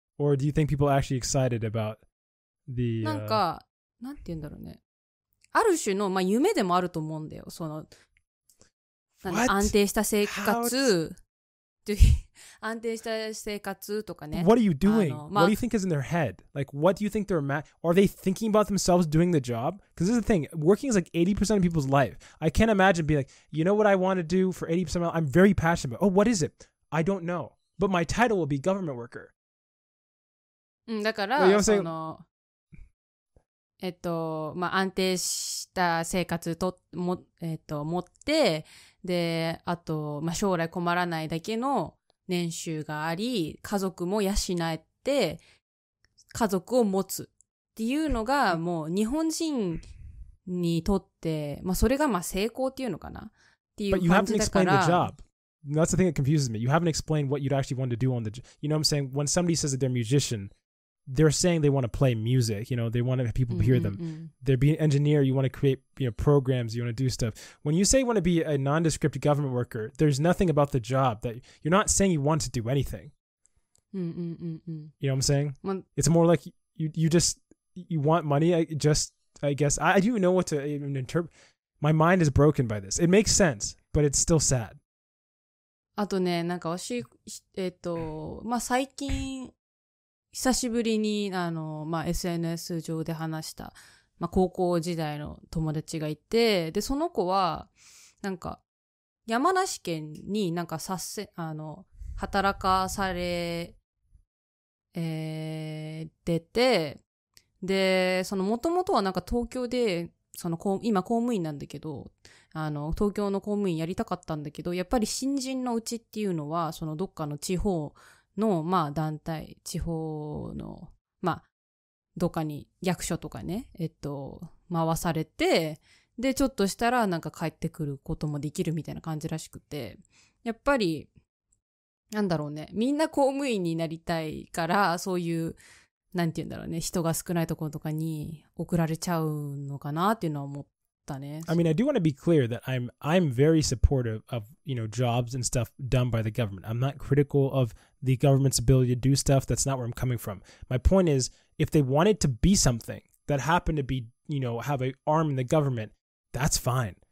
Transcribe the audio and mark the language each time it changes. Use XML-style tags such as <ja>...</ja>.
<en>Or do you think people are actually excited about the...</en> <ja>なんか、なんて言うんだろうね。ある種の、まあ、夢でもあると思うんだよ。その、安定した生活。安定した生活とかね。</ja> <en>What are you doing? What do you think is in their head? Like, what do you think they're... Are they thinking about themselves doing the job? Because this is the thing. Working is like 80% of people's life. I can't imagine being like, you know what I want to do for 80% of my life? I'm very passionate about it. Oh, what is it? I don't know. But my title will be government worker.</en> <ja>うん、だから、</ja> <en>you know</en> <ja>その、まあ、安定した生活とも、持って、で、あと、まあ、将来困らないだけの年収があり、家族も養えて、家族を持つっていうのが、もう日本人にとって、まあ、それがまあ成功っていうのかなっていう感じだから。</ja> <en>But you haven't explained the job. That's the thing that confuses me. You haven't explained what you'd actually want to do on the job. You know what I'm saying? When somebody says that they're a musician, they're saying they want to play music, you know, they want to have people hear them. They're being an engineer, you want to create, you know, programs, you want to do stuff. When you say you want to be a nondescript government worker, there's nothing about the job that you're not saying you want to do anything. You know what I'm saying? It's more like you want money, I guess. I don't even know what to even interpret. My mind is broken by this. It makes sense, but it's still sad.</en> <ja>あとね、なんか私、まあ最近、久しぶりに、まあ、SNS 上で話した、まあ、高校時代の友達がいて、で、その子は、なんか、山梨県になんかさせ、働かされ、出て、で、その、もともとはなんか東京で、その、今公務員なんだけど、東京の公務員やりたかったんだけど、やっぱり新人のうちっていうのは、その、どっかの地方、の、まあ、団体、地方の、まあ、どっかに役所とかね、回されて、で、ちょっとしたら、なんか帰ってくることもできるみたいな感じらしくて、やっぱり、なんだろうね、みんな公務員になりたいから、そういう、なんて言うんだろうね、人が少ないところとかに送られちゃうのかなっていうのは思ったね。</ja> <en>I mean, I do want to be clear that I'm very supportive of, you know, jobs and stuff done by the government. I'm not critical of... the government's ability to do stuff, that's not where I'm coming from. My point is, if they wanted to be something, that happen to be, you know, have an arm in the government, that's fine.</en>